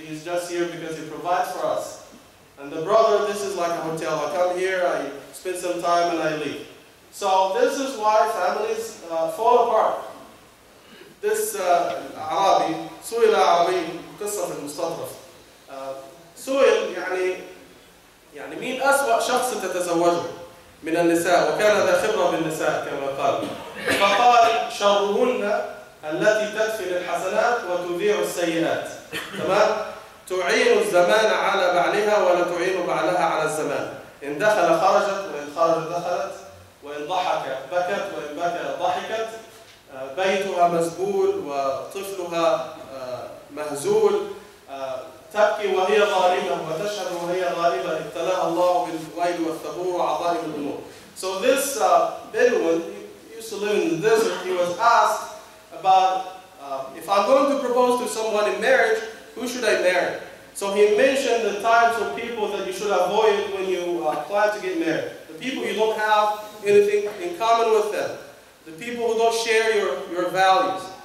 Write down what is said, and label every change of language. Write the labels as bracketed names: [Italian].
[English] He's just here because he provides for us. And the brother, this is like a hotel. I come here, I spend some time, and I leave. So this is why families fall apart. This Arabi, Suhail Arabi, [Arabic] قصة في المستطرف. سويل يعني مين أسوأ شخص تتزوجه من النساء وكان ذا خبرة بالنساء كما قال فقال شرهن التي تدفن الحسنات وتذيع السيئات تمام تعين الزمان على بعلها ولا تعين بعلها على الزمان إن دخل خرجت وإن خرج دخلت وإن ضحك بكت وإن بكى ضحكت بيتها مسبول وطفلها مهزول تبكي وهي ظالمة وتشهد وهي ظالمة ابتلاها الله بالويل والثبور وعظائم الأمور. [English] So this Bedouin used to live in the desert. He was asked about if I'm going to propose to someone in marriage, who should I marry? So he mentioned the types of people that you should avoid when you plan to get married. The people you don't have anything in common with them. The people who don't share your values.